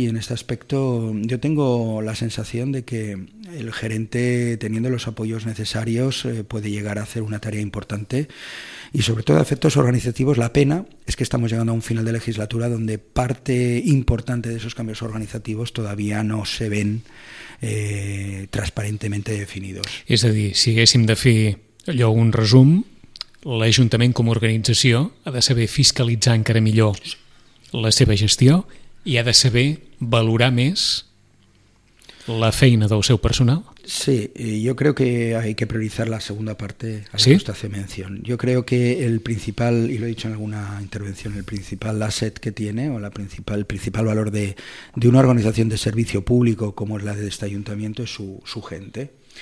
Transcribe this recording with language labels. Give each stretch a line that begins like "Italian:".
Spanish: Y en este aspecto yo tengo la sensación de que el gerente, teniendo los apoyos necesarios, puede llegar a hacer una tarea importante. Y sobre todo a efectos organizativos, la pena es que estamos llegando a un final de legislatura donde parte importante de esos cambios organizativos todavía no se ven transparentemente definidos.
Catalan: És a dir, si haguéssim de fer allò un resum, l'Ajuntament com a organització ha de saber fiscalitzar encara millor la seva gestió i ha de saber valorar més la feina del seu personal?
Spanish: Sí, yo creo que hay que priorizar la segunda parte a la ¿sí? que usted hace mención. Yo creo que el principal, y lo he dicho en alguna intervención, el principal asset que tiene, o el principal valor de una organización de servicio público como es la de este ayuntamiento, es su gente.